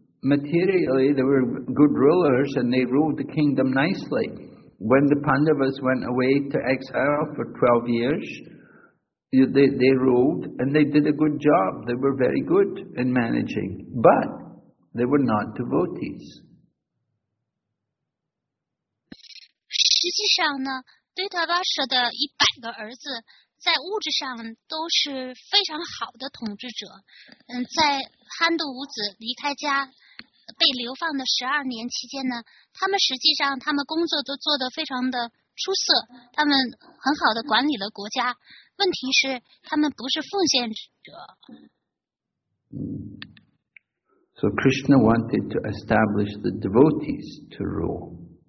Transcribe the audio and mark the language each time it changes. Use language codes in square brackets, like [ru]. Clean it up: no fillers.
[en] Materially, they were good rulers, and they ruled the kingdom nicely. When the Pandavas went away to exile for 12 years, they ruled and they did a good job. They were very good in managing, but they were not devotees. [zh] 实际上呢，对达巴舍的一百个儿子在物质上都是非常好的统治者。在憨度五子离开家被流放的十二年期间呢，他们实际上他们工作都做得非常的出色，他们很好的管理了国家。问题是他们不是奉献者。 [en] So Krishna wanted to establish the devotees to rule.